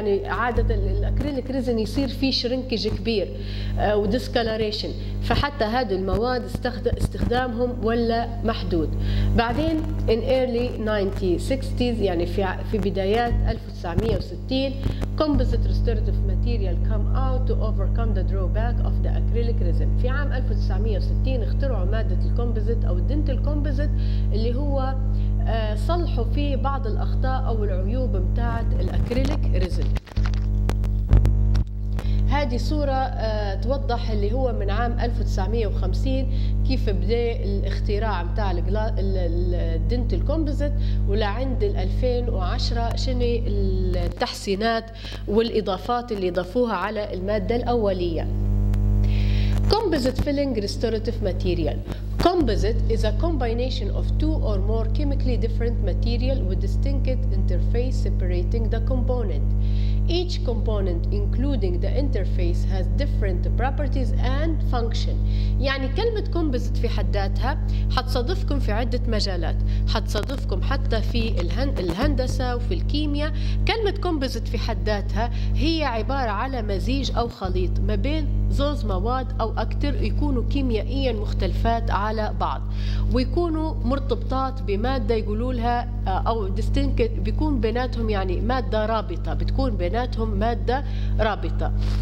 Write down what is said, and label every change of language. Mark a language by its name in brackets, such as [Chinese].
[Arabic] يعني عادة الأكريليك ريزن يصير فيه شرنكج كبير وديسكالاريشن، فحتى هذه المواد استخدامهم ولا محدود. بعدين [English] in early 1960s [Arabic] يعني في بدايات 1960 [English] composite restorative material come out to overcome the drawback of the acrylic resin. [Arabic] في عام 1960 اخترعوا مادة الكومبوزيت أو الدنتال كومبوزيت اللي هو صلحوا فيه بعض الأخطاء أو العيوب بتاعت الأكريليك ريزن. هذه صورة توضح اللي هو من عام 1950 كيف بدأ الاختراع متاع الدنتل كومبوزيت، ولعند 2010 شنو التحسينات والإضافات اللي ضافوها على المادة الأولية. [English] Composite filling restorative material. Composite is a combination of two or more chemically different material with distinct interface separating the component. Each component including the interface has different properties and function. [Arabic] يعني كلمة composite في حد ذاتها حتصادفكم في عدة مجالات، حتصادفكم حتى في الهندسة وفي الكيمياء. كلمة composite في حد ذاتها هي عبارة على مزيج أو خليط ما بين زوز مواد أو أكثر يكونوا كيميائيا مختلفات على بعض، ويكونوا مرتبطات بمادة يقولولها أو distinct، بيكون بيناتهم يعني مادة رابطة، بتكون بيناتهم مادة رابطة.